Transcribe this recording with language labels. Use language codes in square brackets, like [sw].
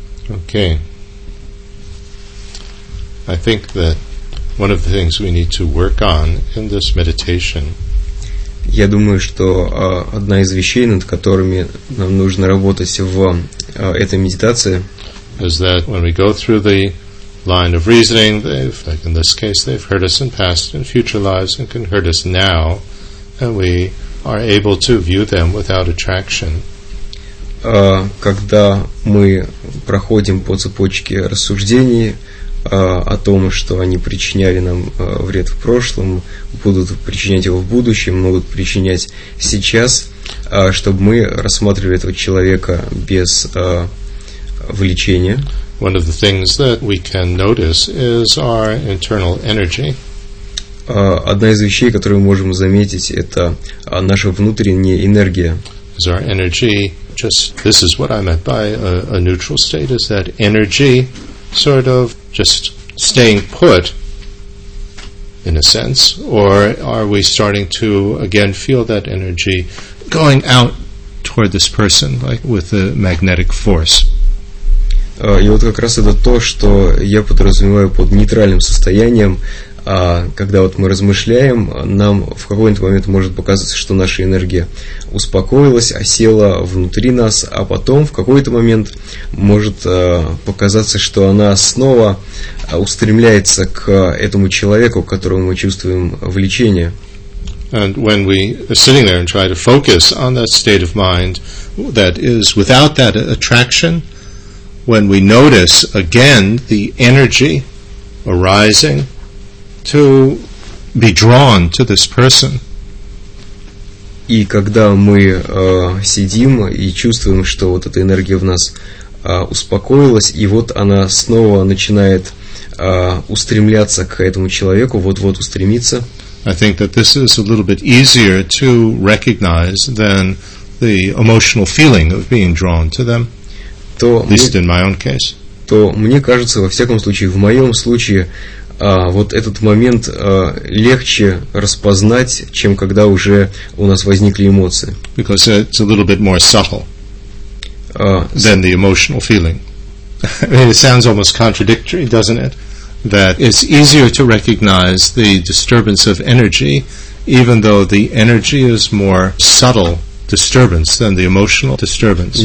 [en] Okay, I think that one of the things we need to work on in this meditation [ru] Я думаю, что одна из вещей, над которыми нам нужно работать в этой медитации, [en] is that when we go through the line of reasoning, they've, like in this case, they've hurt us in past and future lives and can hurt us now, and we are able to view them without attraction. [ru] Когда мы проходим по цепочке рассуждений о том, что они причиняли нам вред в прошлом, будут причинять его в будущем, могут причинять сейчас, чтобы мы рассматривали этого человека без влечения. [en] One of the things that we can notice is our internal energy. [ru] Одна из вещей, которую мы можем заметить, это наша внутренняя энергия. [en] Is our energy just, this is what I meant by a neutral state, is that energy sort of just staying put, in a sense, or are we starting to again feel that energy going out toward this person, like with a magnetic force? [ru] И вот как раз это то, что я подразумеваю под нейтральным состоянием, когда вот мы размышляем, нам в какой-то момент может показаться, что наша энергия успокоилась, осела внутри нас, а потом в какой-то момент может показаться, что она снова устремляется к этому человеку, к которому мы чувствуем влечение. [en] And when we are sitting there and try to focus on that state of mind that is without that attraction, when we notice again the energy arising to be drawn to this person. [ru] И когда мы сидим и чувствуем, что вот эта энергия в нас успокоилась, и вот она снова начинает устремляться к этому человеку, вот-вот устремится. [en] I think that this is a little bit easier to recognize than the emotional feeling of being drawn to them. At least in my own case. [ru] То мне кажется, во всяком случае, в моем случае, вот этот момент легче распознать, чем когда уже у нас возникли эмоции. [en] Because it's a little bit more subtle than the emotional feeling. I mean, it sounds almost contradictory, doesn't it? That it's easier to recognize the disturbance of energy, even though the energy is more subtle disturbance than the emotional disturbance.